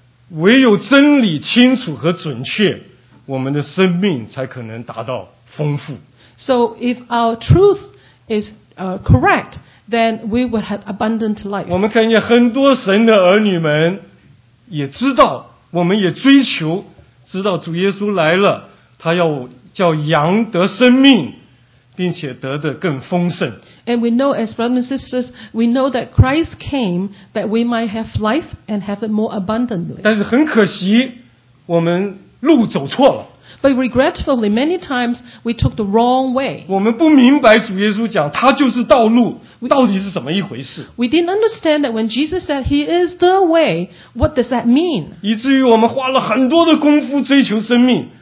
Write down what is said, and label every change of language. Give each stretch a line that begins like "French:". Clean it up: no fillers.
Chinese: 唯有真理清楚和准确，我们的生命才可能达到丰富。
English: So if our truth is correct, then we will have abundant life.
Chinese: 我们看见很多神的儿女们也知道，我们也追求，知道主耶稣来了。他要叫羊得生命，并且得的更丰盛。
English: And we know, as brothers and sisters, we know that Christ came that we might have life and have it more abundantly.
Chinese: 但是很可惜，我们路走错了。
English: But regretfully, many times we took the wrong way.
Chinese: 我们不明白主耶稣讲他就是道路，到底是怎么一回事
English: ？We didn't understand that when Jesus said He is the way, what does that mean?
Chinese: 以至于我们花了很多的功夫追求生命。